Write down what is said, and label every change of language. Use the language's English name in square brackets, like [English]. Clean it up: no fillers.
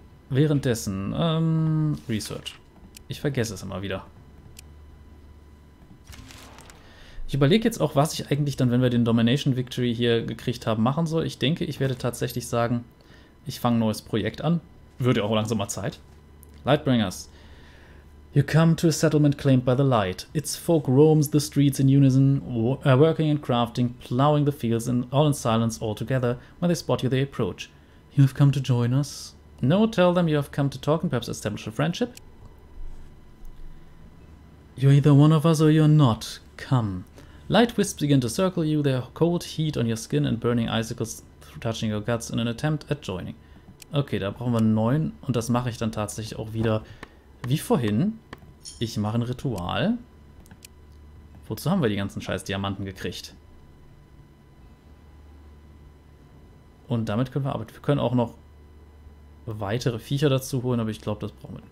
[German] Währenddessen, Research. Ich vergesse es immer wieder. Ich überlege jetzt auch, was ich eigentlich dann, wenn wir den Domination Victory hier gekriegt haben, machen soll. Ich denke, ich werde tatsächlich sagen, ich fange ein neues Projekt an. Würde ja auch langsam mal Zeit. Lightbringers. [English] You come to a settlement claimed by the light. Its folk roams the streets in unison, working and crafting, plowing the fields and all in silence all together. When they spot you, they approach. You have come to join us? No, tell them you have come to talk and perhaps establish a friendship. You're either one of us or you're not. Come. Light wisps begin to circle you, their cold heat on your skin and burning icicles touching your guts in an attempt at joining. [German] Okay, da brauchen wir 9 und das mache ich dann tatsächlich auch wieder. Wie vorhin, ich mache ein Ritual. Wozu haben wir die ganzen scheiß Diamanten gekriegt? Und damit können wir arbeiten. Wir können auch noch weitere Viecher dazu holen, aber ich glaube, das brauchen wir.